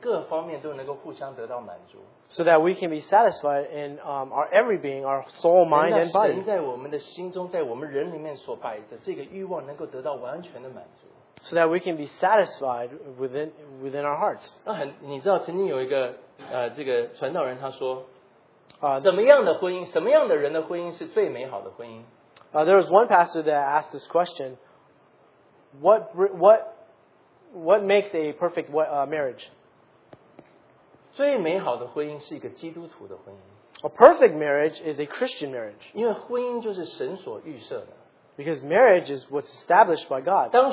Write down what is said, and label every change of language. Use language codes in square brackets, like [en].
[en] No. So that we can be satisfied in our every being, our soul, mind, and body. So that we can be satisfied within our hearts. [zh] 你知道曾经有一个传道人他说, 什么样的婚姻,什么样的人的婚姻是最美好的婚姻? [en] There was one pastor that asked this question, what makes a perfect marriage? [zh] 最美好的婚姻是一个基督徒的婚姻。 [en] A perfect marriage is a Christian marriage. [zh] 因为婚姻就是神所预设的。 [en] Because marriage is what's established by God.